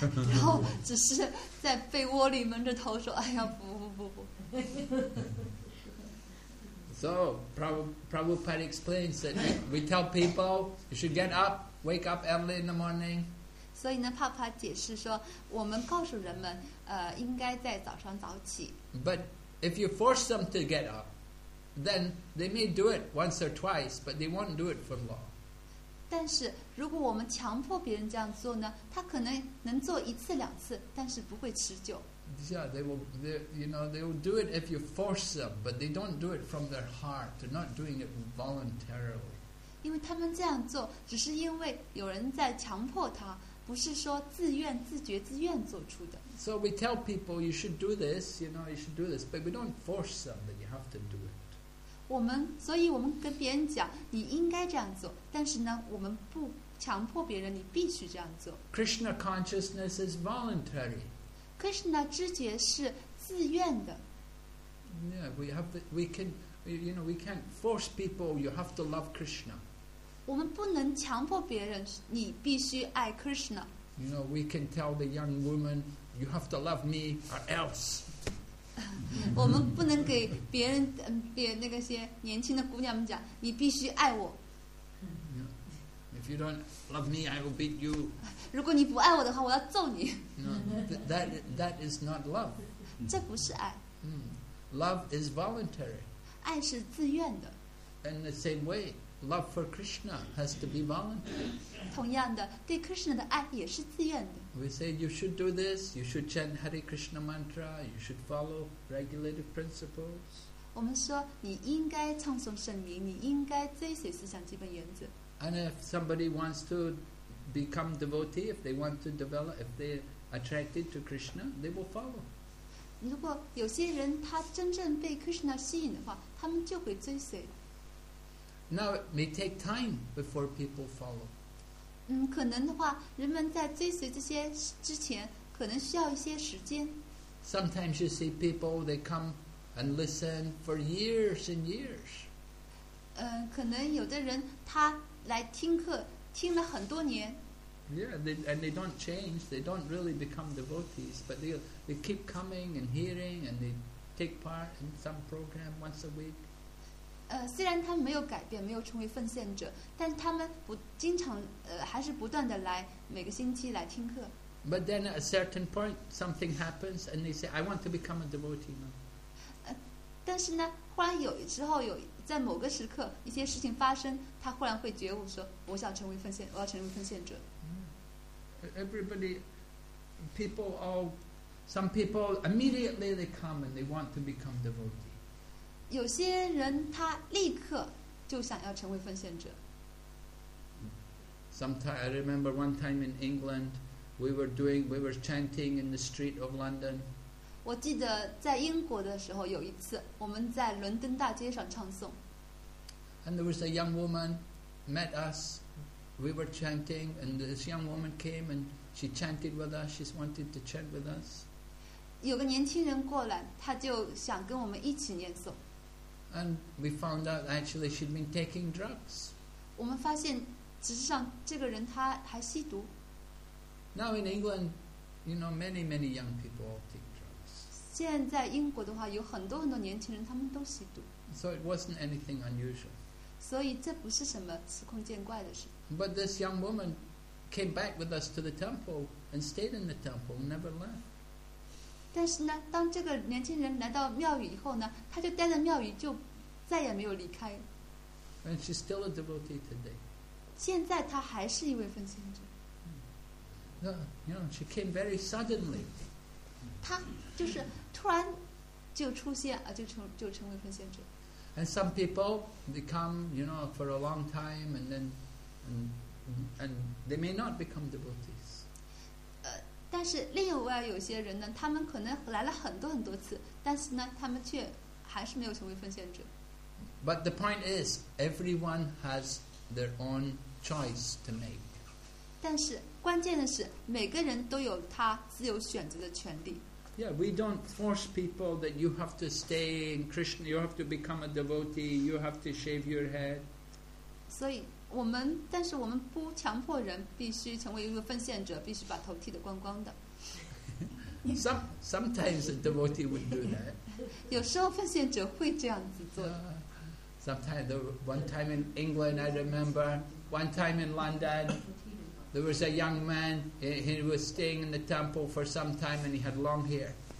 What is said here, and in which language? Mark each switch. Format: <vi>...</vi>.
<zh>然后只是在被窝里蒙着头说哎呀不不不不</zh> <en>So Prabhupada explains that we tell people you should get up wake up early in the morning</en> <zh>所以呢帕帕解释说我们告诉人们应该在早上早起</zh> <en>But if you force them to get upThen they may do it once or twice, but they won't do it for long.</en> <zh>但是如果我们强迫别人这样做呢，他可能能做一次两次，但是不会持久。</zh> <en>Yeah, they will. You know, they will do it if you force them, but they don't do it from their heart. They're not doing it voluntarily.</en> <zh>因为他们这样做，只是因为有人在强迫他，不是说自愿、自觉、自愿做出的。</zh> <en>So we tell people you should do this. You know, you should do this, but we don't force them that you have to do it.</en> <zh>所以我们跟别人讲你应该这样做但是呢我们不强迫别人你必须这样做</zh> <en>Krishna consciousness is voluntary</en> <zh>Krishna 知觉是自愿的</zh> <en>Yeah, we can't force people you have to love Krishna</en> <zh>我们不能强迫别人你必须爱 Krishna</zh> <en>You know, we can tell the young woman you have to love me or else</en> <zh>我们不能给别人那个些年轻的姑娘们讲你必须爱我</zh> <en>you know, If you don't love me, I will beat you.</en> <zh>如果你不爱我的话，我要揍你。</zh> <en>No, that is not love.</en> <zh>这不是爱。</zh> <en>Love is voluntary.</en> <zh>爱是自愿的。</zh> <en>In the same way, love for Krishna has to be voluntary.</en> <zh>同样的，对 Krishna 的爱也是自愿的。</zh> <en>We say you should do this, you should chant Hare Krishna mantra, you should follow regulative principles.</en> <zh>我们说你应该唱诵圣名，你应该追随思想基本原则。</zh> <en>And if somebody wants to become devotee, if they want to develop, if they are attracted to Krishna, they will follow.</en> <zh>如果有些人他真正被 Krishna 吸引的话，他们就会追随。</zh> <en>Now it may take time before people follow.</en> <zh>可能的话，人们在追随这些之前，可能需要一些时间。</zh> <en>Sometimes you see people they come and listen for years and years.</en> <zh>可能有的人他来听课听了很多年。</zh> <en>Yeah, they don't change. They don't really become devotees, but they keep coming and hearing, and they take part in some program once a week.</en> <zh>虽然他们没有改变，没有成为奉献者，但他们不经常还是不断的来每个星期来听课。</zh> <en>But then at a certain point, something happens, and they say, "I want to become a devotee now."</en> <zh>但是呢，忽然有之后有。在某个时刻一些事情发生他忽然会觉悟说我想成为奉献我要成为奉献者</zh> <en>Everybody people all some people immediately they come and they want to become devotee</en> <zh>有些人他立刻就想要成为奉献者</zh> <en>Sometime, I remember one time in England we were chanting in the street of London</en> <zh>我记得在英国的时候有一次我们在伦敦大街上唱诵</zh> <en>and there was a young woman met us we were chanting and this young woman came and she chanted with us she wanted to chant with us</en> <zh>有个年轻人过来他就想跟我们一起念诵</zh> <en>and we found out actually she'd been taking drugs</en> <zh>我们发现实际上这个人他还吸毒</zh> <en>now in England you know many many young people take</en> <zh>现在英国的话有很多很多年轻人他们都吸毒</zh> <en>so it wasn't anything unusual</en> <zh>所以这不是什么司空见怪的事</zh> <en>but this young woman came back with us to the temple and stayed in the temple and never left</en> <zh>但是呢当这个年轻人来到庙宇以后呢他就待在庙宇就再也没有离开</zh> <en>and she's still a devotee today</en> <zh>现在她还是一位奉献者</zh> <en>you know, she came very suddenly</en> <zh>他就是突然就出现啊，就成为奉献者。</zh> <en>And some people they come, you know, for a long time, and then and they may not become devotees.</en> <zh>但是另外有些人呢，他们可能来了很多很多次，但是呢，他们却还是没有成为奉献者。</zh> <en>But the point is, everyone has their own choice to make.</en> <zh>但是关键的是，每个人都有他自由选择的权利。</zh> <en>Yeah, we don't force people that you have to stay in Krishna, you have to become a devotee, you have to shave your head.</en> <zh>所以我们，但是我们不强迫人必须成为一个奉献者，必须把头剃得光光的。</zh> <en>Sometimes a devotee would do that.</en> <zh>有时候奉献者会这样子做。</zh> <en>Sometimes, one time in England, I remember, one time in London, There was a young man, he was staying in the temple for some time and he had long hair.</en>